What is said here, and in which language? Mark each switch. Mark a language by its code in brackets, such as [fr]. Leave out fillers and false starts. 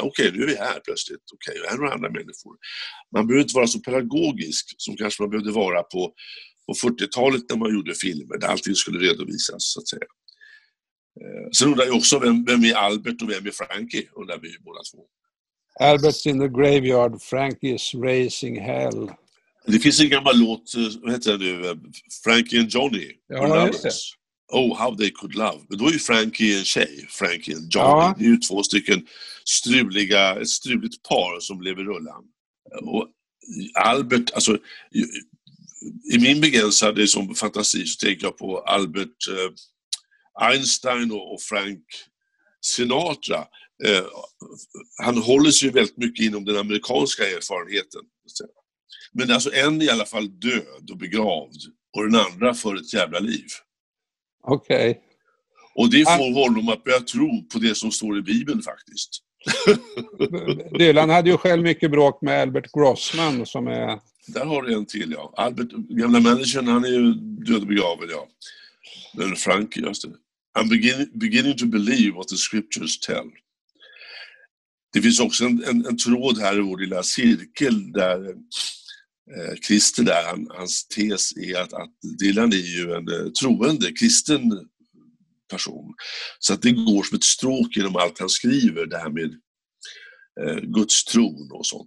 [sv] Okej, nu är vi här plötsligt. Okej, jag är några andra människor. Man behöver inte vara så pedagogisk som kanske man behövde vara på 40-talet när man gjorde filmer där allting skulle redovisas, så att säga. Sen undrar jag också vem är Albert och vem är Frankie, undrar vi båda två. [en] Albert's in the graveyard, Frankie's raising hell. [sv] Det finns en gammal låt, vad heter det nu, Frankie and Johnny. Ja, just det. [en] Oh, how they could love. [sv] Men då är ju Frankie en tjej, Frankie and Johnny. Ja. Det är ju två stycken struliga, ett struligt par som lever rullan. Och Albert, alltså i min begränsade som fantasi så tänker jag på Albert Einstein och Frank Sinatra. Han håller sig ju väldigt mycket inom den amerikanska erfarenheten. Men alltså en i alla fall död och begravd och den andra för ett jävla liv. Okej. [en] Okay. [sv] Och det får honom att börja tro på det som står i Bibeln faktiskt. Dylan hade ju själv mycket bråk med Albert Grossman som är... Där har du en till, ja. Albert, gamla människan, han är ju död och begravd, ja. Men Frank, just det. [en] I'm beginning to believe what the scriptures tell. [sv] Det finns också en tråd här i vår lilla cirkel där... Christer där, hans tes är att Dylan är ju en troende, kristen person. Så att det går som ett stråk genom allt han skriver, det här med Guds tron och sånt.